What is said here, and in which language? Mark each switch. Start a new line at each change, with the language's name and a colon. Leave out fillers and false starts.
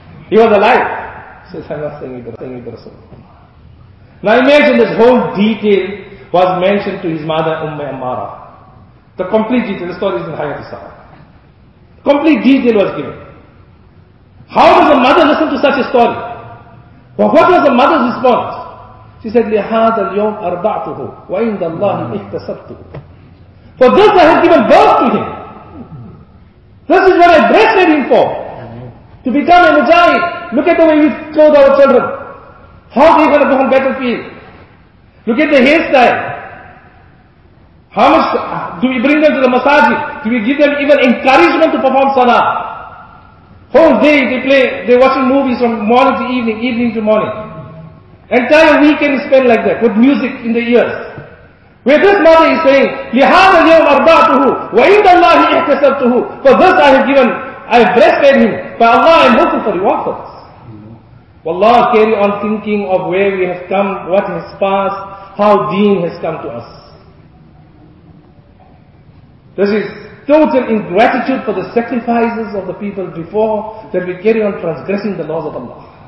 English: He was alive. He says, I'm not saying you're saying the Rasulullah. Now imagine this whole detail was mentioned to his mother, Umm Ammara. The complete detail, the story is in Hayat al-Sahara. Complete detail was given. How does a mother listen to such a story? But what was the mother's response? She said,
Arabic: لِهَذَا الْيَوْمْ أَرْضَعْتُهُ وَإِنْدَ اللَّهِ اِحْتَسَبْتُهُ.
English: For this I have given birth to him. This is what I breastfed him for. To become a mujahid. Look at the way we clothe our children. How are they going to go on battlefield? Look at the hairstyle. How much do we bring them to the masajid? Do we give them even encouragement to perform salah? Whole day they play, they're watching movies from morning to evening, evening to morning. Entire weekend is spent like that, with music in the ears. Where this mother is saying,
Arabic: لِهَذَا الْيَوْمْ أَرْضَعْتُهُ وَإِنْدَ اللَّهِ اِحْتَسَبْتُهُ.
English: For this I have given, I have breastfed him. By Allah I am hoping for reward for this. Wallah, carry on thinking of where we have come, what has passed, how deen has come to us. This is total ingratitude for the sacrifices of the people before that we carry on transgressing the laws of Allah.